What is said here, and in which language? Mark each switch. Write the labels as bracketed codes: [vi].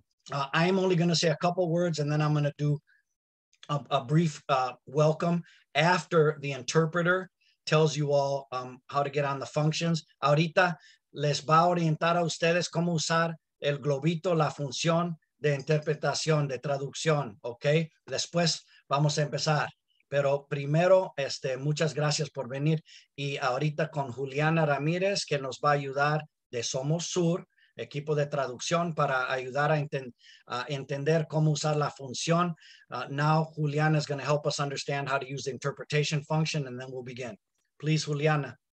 [en] I'm only going to say a couple words, and then I'm going to do a brief welcome after the interpreter tells you all how to get on the functions. [es] Ahorita les va a orientar a ustedes cómo usar el globito, la función de interpretación, de traducción, okay? Después vamos a empezar. Pero primero, muchas gracias por venir. Y ahorita con Juliana Ramírez, que nos va a ayudar de Somos Sur, equipo de traducción, para ayudar a entender cómo usar la función. [en] Now, Juliana is going to help us understand how to use the interpretation function, and then we'll begin. Please, Juliana.